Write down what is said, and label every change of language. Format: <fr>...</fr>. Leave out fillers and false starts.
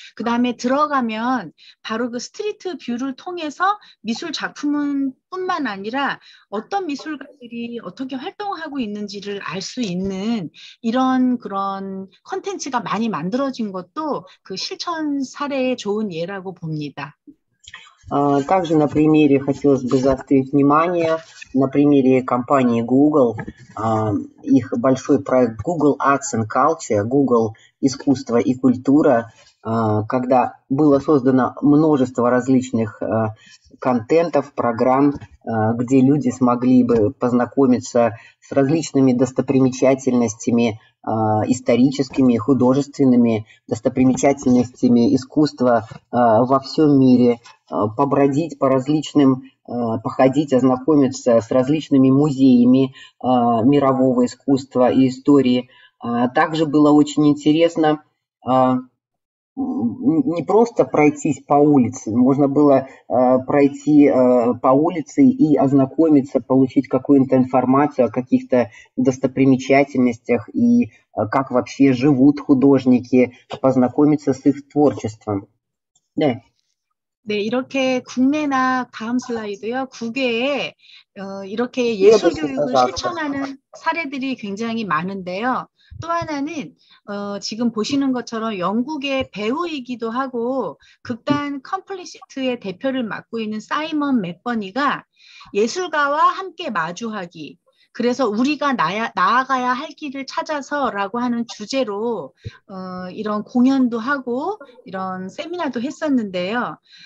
<ko>그 다음에 들어가면 바로 그 스트리트 뷰를 통해서 미술 작품은 뿐만 아니라 어떤 미술가들이 어떻게 활동하고 있는지를 알 수 있는 이런 그런 콘텐츠가 많이 만들어진 것도 그 실천 사례의 좋은 예라고 봅니다.</ko> <ru>Также на примере хотелось бы заострить внимание на примере компании Google, их большой проект Google Arts and Culture, Google искусство и культура, когда было создано множество различных контентов, программ, где люди смогли бы познакомиться с различными достопримечательностями историческими, художественными достопримечательностями искусства во всем мире, побродить по различным, походить, ознакомиться с различными музеями мирового искусства и истории. Также было очень интересно не просто пройтись по улице, можно было пройти по улице и ознакомиться, получить какую-то информацию о каких-то достопримечательностях и как вообще живут художники, познакомиться с их творчеством. Да.</ru> <ko>네, 이렇게 국내나 다음 슬라이드요. 국외에 이렇게 예술 교육을 실천하는 사례들이 굉장히 많은데요. 또 하나는 지금 보시는 것처럼 영국의 배우이기도 하고 극단 컴플리시트의 대표를 맡고 있는 사이먼 맥버니가 예술가와 함께 마주하기, 그래서 우리가 나아가야 할 길을 찾아서 라고 하는 주제로 이런 공연도 하고 이런 세미나도 했었는데요.</ko>